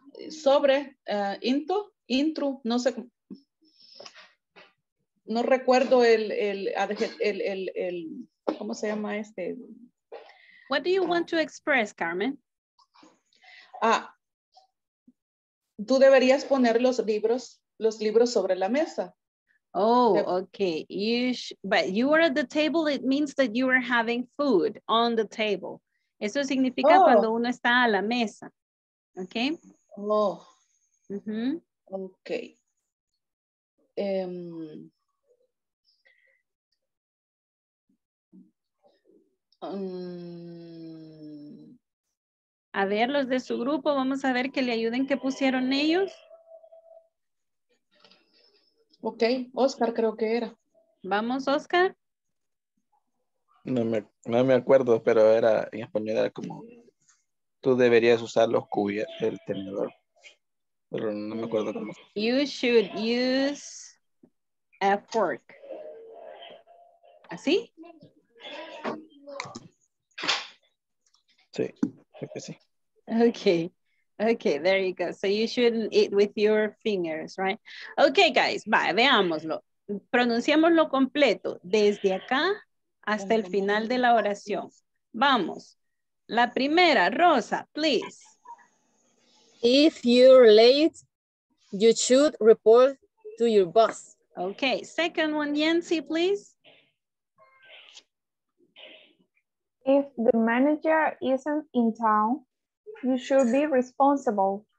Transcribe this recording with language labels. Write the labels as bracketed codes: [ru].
[es] sobre into, no sé, no recuerdo el ¿cómo se llama este? [en] What do you want to express, Carmen? [es] Tú deberías poner los libros sobre la mesa. [en] Oh, okay. But you are at the table, it means that you are having food on the table. [es] Eso significa cuando uno está a la mesa. [en] Okay? Oh. Mm-hmm. Okay. [es] A ver, los de su grupo, vamos a ver que le ayuden, ¿qué pusieron ellos? Ok, Oscar creo que era. Vamos, Oscar. No me acuerdo, pero era en español, era como, tú deberías usar los cubiertos, el tenedor. Pero no me acuerdo cómo. [en] You should use a fork. [es] ¿Así? Sí, creo que sí. [en] Okay, there you go. So you shouldn't eat with your fingers, right? Okay, guys, bye, [es] veámoslo. Pronunciémoslo completo, desde acá hasta el final de la oración. Vamos. La primera, Rosa, please. [en] If you're late, you should report to your boss. Okay, second one, Yancy, please. If the manager isn't in town, you should be responsible.